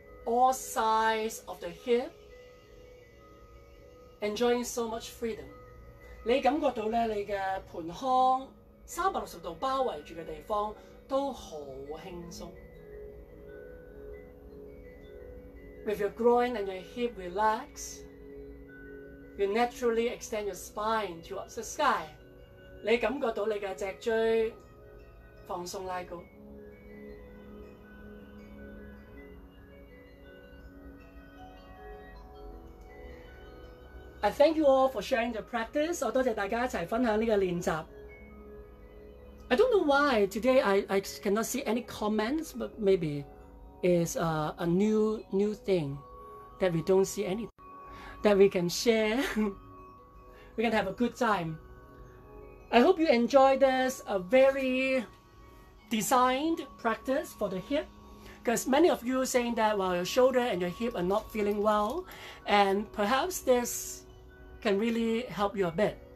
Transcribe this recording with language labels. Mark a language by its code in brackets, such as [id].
[en] All sides of the hip, enjoying so much freedom. [yue] 你感覺到咧，你嘅盆腔360度包圍住嘅地方，都很輕鬆。 [en] With your groin and your hip relax, you naturally extend your spine towards the sky. [yue] 你感覺到你的脊椎放鬆拉高。 [en] I thank you all for sharing the practice. [yue] 我多謝大家一起分享這個練習。 [en] I don't know why today I cannot see any comments, but maybe it's a new thing that we don't see any, that we can share. We can have a good time. I hope you enjoy this a very designed practice for the hip, because many of you saying that while your shoulder and your hip are not feeling well, and perhaps this can really help you a bit.